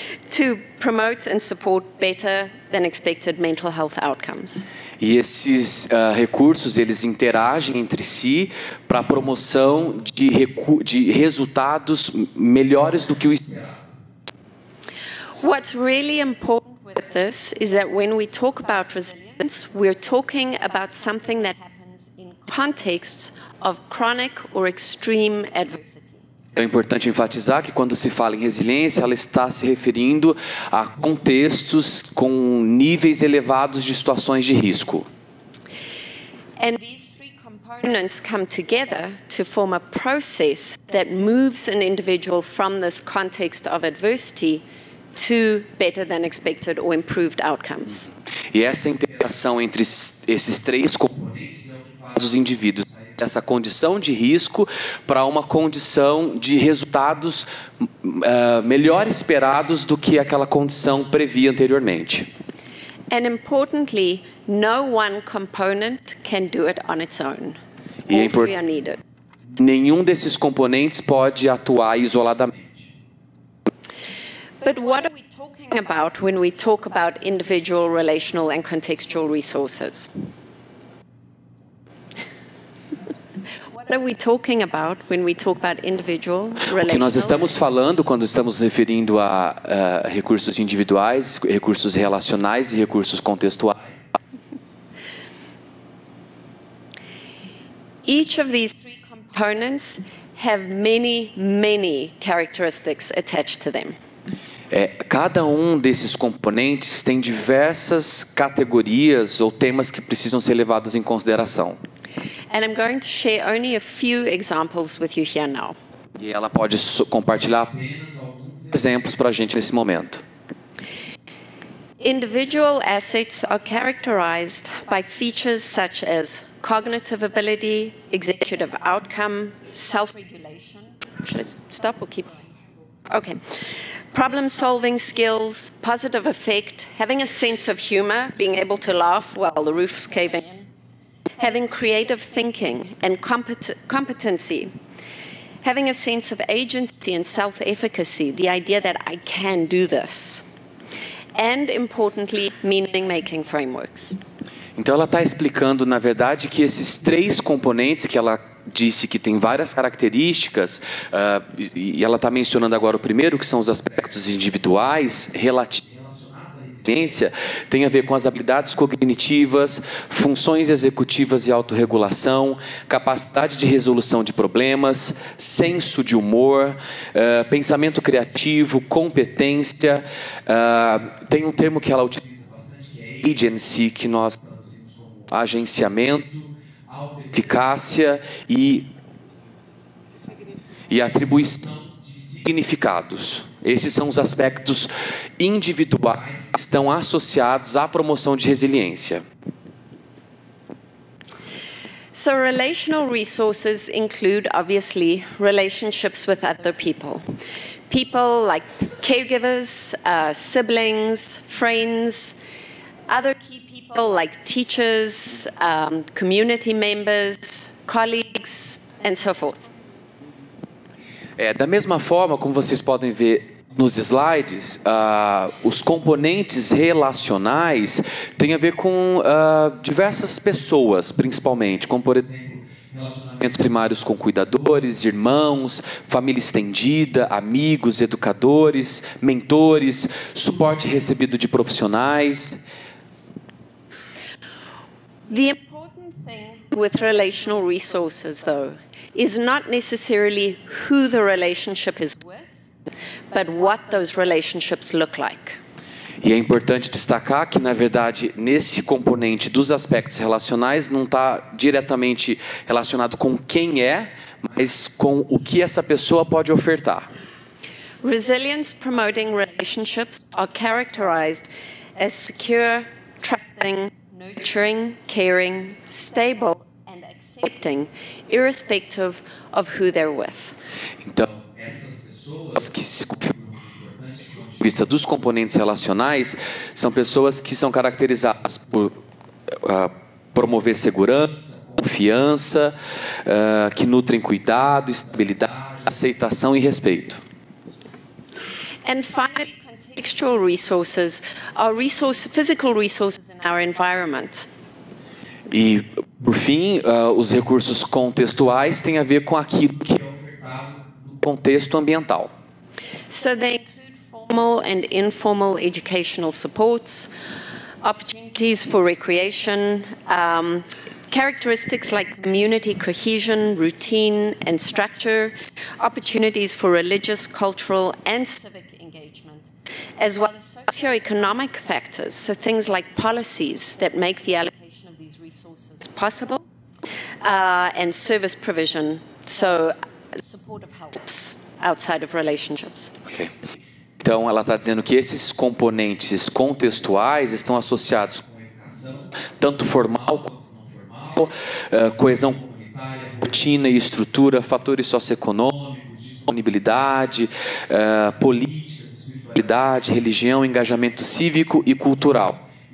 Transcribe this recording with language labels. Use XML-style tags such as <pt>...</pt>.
<en>to promote and support better than expected mental health outcomes.</en> <pt>E esses recursos, eles interagem entre si para a promoção de resultados melhores do que o esperado.</pt> <en>What's really important with this is that when we talk about resilience, we're talking about something that happens in contexts of chronic or extreme adversity.</en> <pt>É importante enfatizar que quando se fala em resiliência, ela está se referindo a contextos com níveis elevados de situações de risco.</pt> <en>And these three components come together to form a process that moves an individual from this context of adversity to better than expected or improved outcomes.</en> <pt>E essa interação entre esses três componentes faz os indivíduos essa condição de risco para uma condição de resultados melhor esperados do que aquela condição previa anteriormente.</pt> <en>And importantly, no one component can do it on its own.</en> <pt>Nenhum desses componentes pode atuar isoladamente.</pt> <en>But what are we talking about when we talk about individual, relational and contextual resources? What are we talking about when we talk about individual, relational?</en> <pt>O que nós estamos falando quando estamos referindo a recursos individuais, recursos relacionais e recursos contextuais?</pt> <en>Each of these three components have many, many characteristics attached to them.</en> <pt>Cada um desses componentes tem diversas categorias ou temas que precisam ser levados em consideração.</pt> <en>And I'm going to share only a few examples with you here now.</en> <pt>E ela pode compartilhar exemplos para a gente nesse momento.</pt> <en>Individual assets are characterized by features such as cognitive ability, executive outcome, self-regulation. Should I stop or keep? Okay. Problem-solving skills, positive affect, having a sense of humor, being able to laugh while the roof's caving in. Having creative thinking and competency, having a sense of agency and self-efficacy, the idea that I can do this, and importantly, meaning-making frameworks.</en> <pt>Então ela está explicando, na verdade, que esses três componentes que ela disse que tem várias características, e ela está mencionando agora o primeiro, que são os aspectos individuais relativos. Tem a ver com as habilidades cognitivas, funções executivas e autorregulação, capacidade de resolução de problemas, senso de humor, pensamento criativo, competência. Tem um termo que ela utiliza bastante, que é agency, que nós traduzimos como agenciamento, eficácia e atribuição de significados. Esses são os aspectos individuais que estão associados à promoção de resiliência.</pt> <en>So relational resources include, obviously, relationships with other people. People like caregivers, siblings, friends, other key people like teachers, community members, colleagues, and so forth.</en> <pt>Da mesma forma, como vocês podem ver nos slides, os componentes relacionais têm a ver com diversas pessoas, principalmente, como por exemplo, relacionamentos primários com cuidadores, irmãos, família estendida, amigos, educadores, mentores, suporte recebido de profissionais.</pt> <en>The important thing with relational resources, though, is not necessarily who the relationship is with, but what those relationships look like.</en> <pt>E é importante destacar que, na verdade, nesse componente dos aspectos relacionais não está diretamente relacionado com quem é, mas com o que essa pessoa pode ofertar.</pt> <en>Resilience-promoting relationships are characterized as secure, trusting, nurturing, caring, stable, accepting, irrespective of who they're with.</en> <pt>Então, essas pessoas que se confirmam muito importante em vista dos componentes relacionais são pessoas que são caracterizadas por promover segurança, confiança, que nutrem cuidado, estabilidade, aceitação e respeito.</pt> <en>And finally, contextual resources are physical resources in our environment.</en> <pt>E por fim, os recursos contextuais têm a ver com aquilo que é ofertado no contexto ambiental.</pt> <en>So they include formal and informal educational supports, opportunities for recreation, characteristics like community cohesion, routine and structure, opportunities for religious, cultural and civic engagement, as well as socioeconomic factors, so things like policies that make the allocation of these resources possible. and service provision, so supportive helps outside of relationships. Okay.</en> <pt>Então, ela está dizendo que esses componentes contextuais estão associados com educação, tanto formal quanto não formal, coesão comunitária, rotina e estrutura, fatores socioeconômicos, disponibilidade, políticas, religião, engajamento cívico e cultural.</pt>